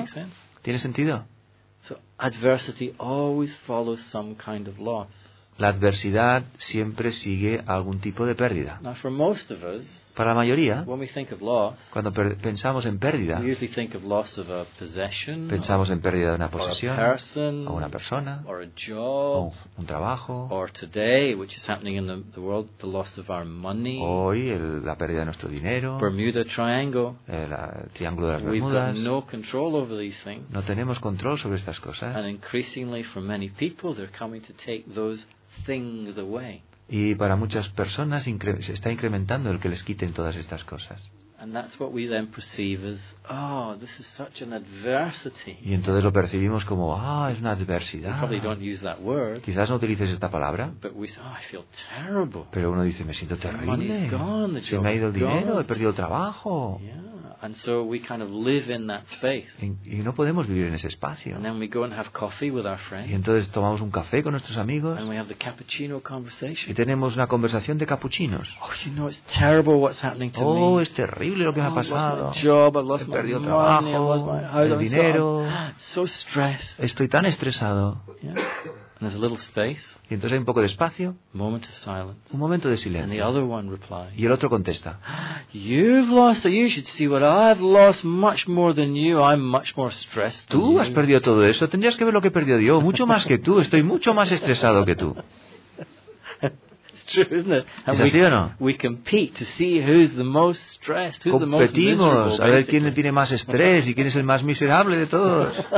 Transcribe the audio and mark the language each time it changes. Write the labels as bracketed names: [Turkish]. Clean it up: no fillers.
[English] Does that make sense? [Spanish] ¿Tiene sentido? [English] So adversity always follows some kind of loss. [Spanish] La adversidad siempre sigue algún tipo de pérdida. [English] Now, for most of us, [Spanish] para la mayoría, [English] when we think of loss, [Spanish] cuando pensamos en pérdida, [English] we usually think of loss of a possession, [Spanish] pensamos en pérdida de una posesión, [English] or a person, [Spanish] o una persona, [English] or a job, [Spanish] o un trabajo, [English] or today, which is happening in the world, the loss of our money, [Spanish] hoy la pérdida de nuestro dinero, [English] Bermuda Triangle, [Spanish] el triángulo de las Bermudas. [English] We've got no control over these things. [Spanish] No tenemos control sobre estas cosas. [English] And increasingly, for many people, they're coming to take those things away. [Spanish] Y para muchas personas se está incrementando el que les quiten todas estas cosas. [English] And that's what we then perceive as, oh, this is such an adversity. [Spanish] Y entonces lo percibimos como, ah, oh, es una adversidad. [English] We probably don't use that word. [Spanish] Quizás no utilices esta palabra. [English] But we say, oh, I feel terrible. [Spanish] Pero uno dice, me siento terrible. [English] The money's gone, the job. [Spanish] Se me ha ido el dinero, [English] gone. [Spanish] He perdido el trabajo. [English] Yeah. And so we kind of live in that space. [Spanish] Y no podemos vivir en ese espacio. [English] And then we go and have coffee with our friends. [Spanish] Y entonces tomamos un café con nuestros amigos. [English] And we have the cappuccino conversation. [Spanish] Y tenemos una conversación de capuchinos. [English] Oh, you know, it's terrible what's happening to oh, me. [Spanish] Es terrible. Es increíble lo que me ha pasado. [English] Job, [Spanish] he perdido trabajo, [English] money, [Spanish] el dinero. [English] So stressed. [Spanish] Estoy tan estresado. [English] Yeah. And there's a little space. [Spanish] Y entonces hay un poco de espacio. [English] Moment of silence. [Spanish] Un momento de silencio. [English] And the other one replies. [Spanish] Y el otro contesta. [English] You've lost it. You should see what I've lost much more than you. I'm much more stressed. [Spanish] Tú has perdido todo eso. Tendrías que ver lo que he perdido yo. Mucho más que tú. Estoy mucho más estresado que tú. [English] True, isn't it? [Spanish] ¿Es así o no? [English] We compete to see who's the most stressed, who's the most miserable. [Spanish] Competimos a ver quién tiene más estrés y quién es el más miserable de todos.